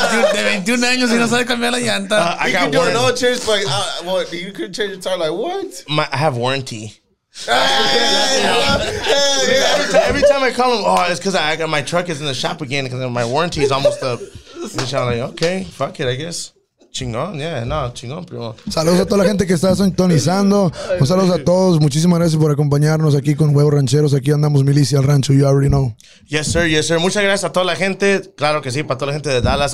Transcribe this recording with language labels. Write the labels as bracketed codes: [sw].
[es] De 21 años y no sabe cambiar la llanta. [en] I got you can do an oil change, but you couldn't change the tire, like, what? I have warranty. Every time I call him, oh, it's because I got my truck is in the shop again because my warranty is almost up. Which I'm like, okay, fuck it, I guess. [es] Chingón, yeah, no, chingón, primo. Saludos a toda la gente que está sintonizando. Un saludo a todos. Muchísimas gracias por acompañarnos aquí con Huevos Rancheros. Aquí andamos Milicia Del Rancho, [en] you already know. Yes, sir. [es] Muchas gracias a toda la gente. Claro que sí, para toda la gente de Dallas.